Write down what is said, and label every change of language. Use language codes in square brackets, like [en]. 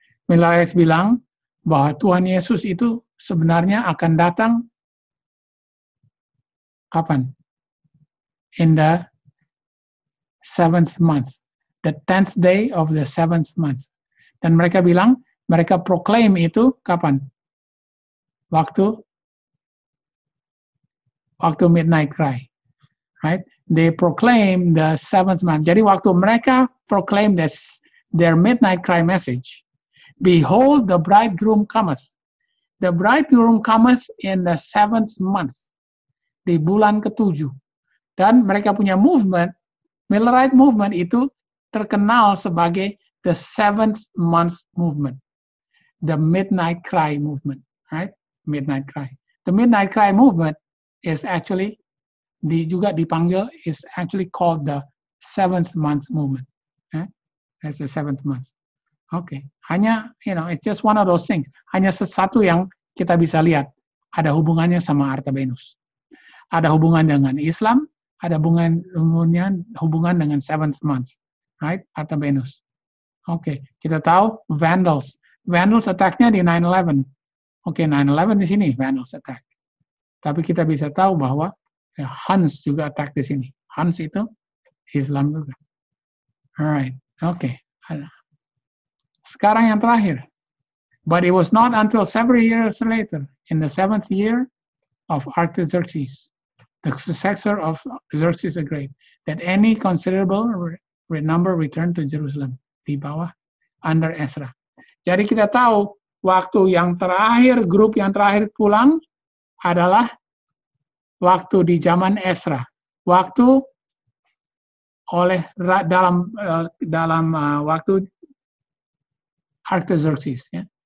[id] Millerites bilang bahwa Tuhan Yesus itu sebenarnya akan datang kapan? [en] In the 7th month, the 10th day of the 7th month. [id] Dan mereka bilang, mereka proklaim itu kapan? [en] Waktu Midnight Cry. Right? They proclaim the 7th month. [id] Jadi waktu mereka [en] proclaim this, their Midnight Cry message, behold the bridegroom cometh. The bridegroom cometh in the 7th month. [id] Di bulan ke-7. Dan mereka punya [en] movement, Millerite movement [id] itu terkenal sebagai [en] the 7th month movement, the Midnight Cry movement, right? Midnight Cry. The Midnight Cry movement is actually [id] juga dipanggil [en] is actually called the 7th month movement. Right? That's the 7th month. Okay. Hanya, you know, it's just one of those things. [id] Hanya sesuatu yang kita bisa lihat ada hubungannya sama Artabanus, ada hubungan dengan Islam. Ada hubungan dengan 7th month, right? Artabanus. Okay, kita tahu Vandals. Vandals attack-nya di 9/11. Okay, 9/11 di sini Vandals attack. Tapi kita bisa tahu bahwa ya, Huns juga attack di sini. Huns itu Islam juga. Alright, okay. Sekarang yang terakhir. [en] But it was not until several years later, in the 7th year of Artaxerxes, the successor of Xerxes the Great, that any considerable number returned to Jerusalem, [id] di bawah, [en] under Ezra. [id] Jadi kita tahu waktu yang terakhir, grup yang terakhir pulang adalah waktu di zaman Ezra. Waktu oleh dalam waktu Artaxerxes, ya.